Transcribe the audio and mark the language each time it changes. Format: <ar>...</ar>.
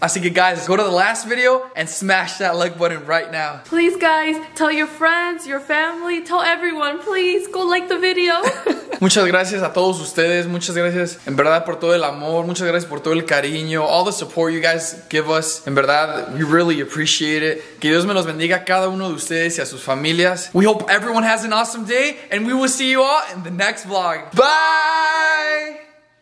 <es>Así que</es> <en>guys, go to the last video and smash that like button right now. Please guys, tell your friends, your family, tell everyone, please go like the video.</en> <es>Muchas gracias a todos ustedes. Muchas gracias en verdad por todo el amor. Muchas gracias por todo el cariño.</es> <en>All the support you guys give us.</en> <es>En verdad,</es> <en>we really appreciate it.</en> <es>Que Dios me los bendiga a cada uno de ustedes y a sus familias.</es> <en>We hope everyone has an awesome day and we will see you all in the next vlog. Bye!</en>